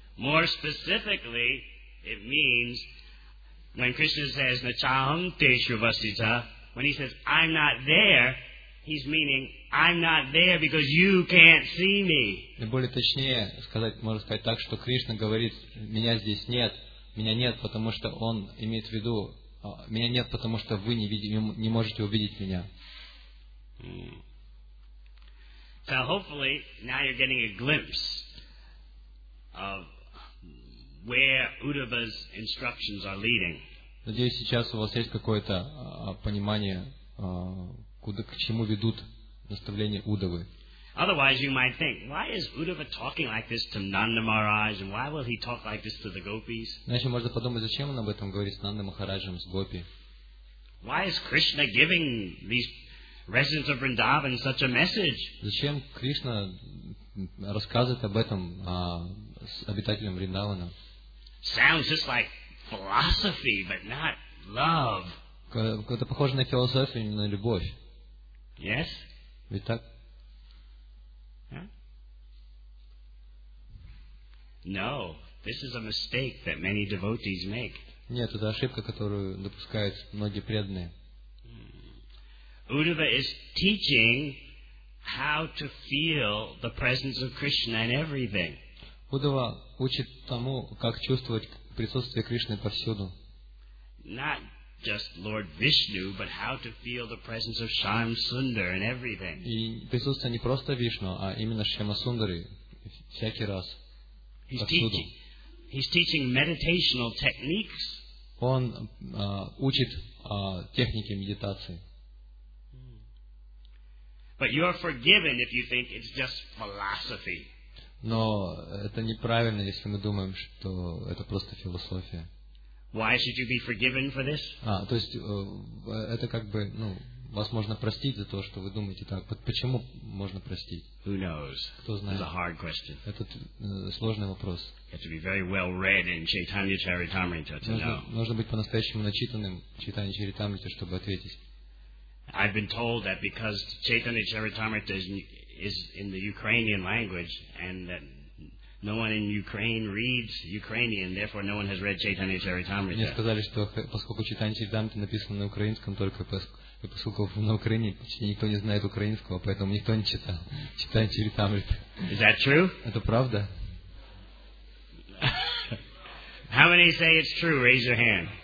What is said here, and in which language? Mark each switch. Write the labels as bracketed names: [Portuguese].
[English] More specifically, it means when Krishna says [Sanskrit] "Nacham Teshu Vasita," [English] when he says "I'm not there," he's meaning I'm not there because you can't see me. [Russian] Более точнее сказать, можно сказать так, что Кришна говорит, меня здесь нет, меня нет, потому что он имеет в виду, меня нет, потому что вы не, видите, не можете увидеть меня. [English] So hopefully now you're getting a glimpse of where Uddhava's instructions are leading. [Russian] Надеюсь, сейчас у вас есть какое-то понимание, куда, к чему ведут наставления Уддхавы. [English] Otherwise, you might think, why is Uddhava talking like this to Nanda Maharaj, and why will he talk like this to the Gopis? [Russian] Иначе можно подумать, зачем он об этом говорит с Нанда Махараджем, с Гопи? [English] Why is Krishna giving these residents of Vrindavan such a message? [Russian] Зачем Кришна рассказывает об этом обитателям Вриндавана? [English] Sounds just like philosophy, but not love. [Russian] Это похоже на философию, не на любовь. [English] Yes. [Russian] Ведь так? [English] No, this is a mistake that many devotees make. [Russian] Нет, это ошибка, которую допускают многие преданные. [English] Uddhava is teaching how to feel the presence of Krishna in everything. [Russian] Uddhava учит тому, как чувствовать присутствие Кришны повсюду. [English] Not just Lord Vishnu, but how to feel the presence of Shyamasundara in everything. [Russian] И присутствие не просто Вишну, а именно Шьямасундары всякий раз. [English] He's teaching meditational techniques. [Russian] Он учит технике медитации. [English] But you are forgiven if you think it's just philosophy. [Russian] Но это неправильно, если мы думаем, что это просто философия. [English] Why should you be forgiven for this? [Russian] То есть это как бы, ну, вас можно простить за то, что вы думаете так. Почему можно простить? [English] Who knows? [Russian] Кто знает? [English] It's a hard question. [Russian] Это сложный вопрос. [English] You have to be very well read in Chaitanya Charitamrita to know. [Russian] Нужно быть по-настоящему начитанным в Чайтанья Чаритамрите, чтобы ответить. [English] I've been told that because Chaitanya Charitamrita is in the Ukrainian language and that no one in Ukraine reads Ukrainian, therefore no one has read Chaitanya Charitamrita. [Russian] Мне сказали, что поскольку Чайтанья Чаритамрита написано на украинском, только поскольку на Украине почти никто не знает украинского, поэтому никто не читал. Читает Чаритамриту. [English] Is that true? [Russian] Это правда? [English] How many say it's true? Raise your hand.